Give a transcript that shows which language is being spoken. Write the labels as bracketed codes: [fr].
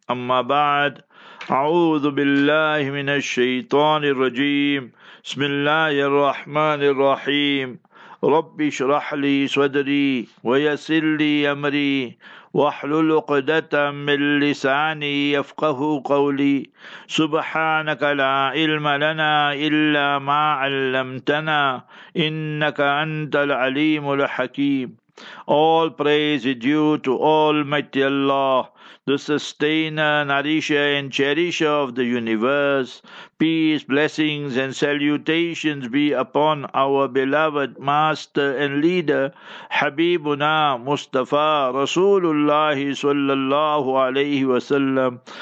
[ar] Amma ba'd, a'udhu billahi minash shaitani rajim. Bismillahir Rahmanir Rahim. Rabbi shrah li sadri wa yassir li amri واحلل عقدة من لساني يفقه قولي. سبحانك لا علم لنا إلا ما علمتنا إنك أنت العليم الحكيم. [en] All praise is due to Almighty Allah, the sustainer, nourisher and cherisher of the universe. Peace, blessings and salutations be upon our beloved master and leader, Habibuna Mustafa Rasulullah sallallahu alayhi wa sallam.